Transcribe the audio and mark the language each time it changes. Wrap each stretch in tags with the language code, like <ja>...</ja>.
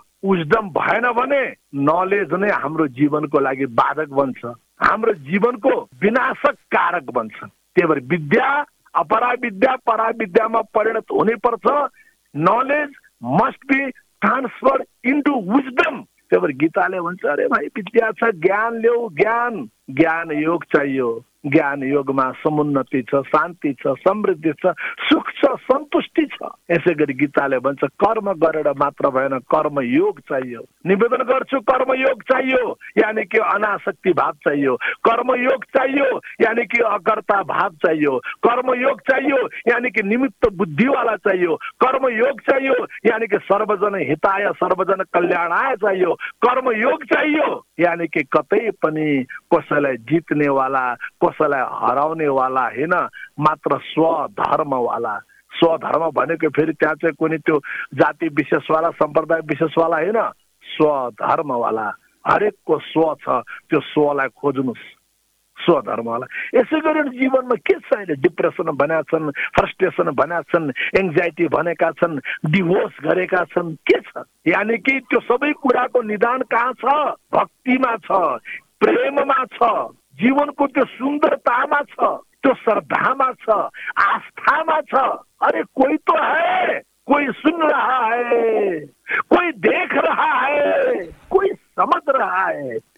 <ne>Wisdom भएन भने knowledge नै हाम्रो जीवनको लागि बाधक बन्छ हाम्रो जीवनको विनाशक कारक बन्छ त्यही भएर विद्या अपरा विद्या परा विद्यामा परिणत हुनैपर्छ</ne> <en>knowledge must be transfer into wisdom</en> <ne>त्यही भएर गीताले भन्छ अरे भाइ विद्या छ ज्ञान ल्याऊ ज्ञान ज्ञान योग चाहियो ज्ञान योगमा समुन्नति छ, शान्ति छ, समृद्धि छ, सुख छ, सन्तुष्टि छ। यसै गरी गीताले भन्छ, कर्म गरेर मात्र भएन, कर्म योग चाहियो। निवेदन गर्छु, कर्म योग चाहियो, यानि कि अनासक्ति भाव चाहियो। कर्म योग चाहियो, यानि कि अकर्ता भाव चाहियो। कर्म योग चाहियो, यानि कि निमित्त बुद्धिवाला चाहियो। कर्म योग चाहियो, यानि कि सर्वजन हिताय, सर्वजन कल्याणाय चाहियो। कर्म योग चाहियो, यानि कि कतै पनि कसैलाई जित्ने वाला, कसैलाई हराउने वाला होइन, मात्र स्वधर्म वाला। स्वधर्म भनेको फेरि त्यहाँ चाहिँ कुनै त्यो जाति विशेषवाला, सम्प्रदाय विशेषवाला होइन, स्वधर्म वाला। हरेकको स्व छ, त्यो स्वलाई खोज्नुहोस्, स्वधर्म वाला। यसै गरेर जीवनमा के छ अहिले? डिप्रेसन भनेका छन्, फ्रस्ट्रेसन भनेका छन्, एङ्जाइटी भनेका छन्, डिभोर्स गरेका छन्, के छ? यानि कि त्यो सबै कुराको निदान कहाँ छ? भक्तिमा छ, प्रेममा छ, जीवनको त्यो सुन्दरतामा छ, त्यो श्रद्धामा छ, आस्थामा छ।</ne> <hi>अरे कोही तो है, कोही सुन रहा है, कोही देख रहा है, कोही समझ रहा है।</hi>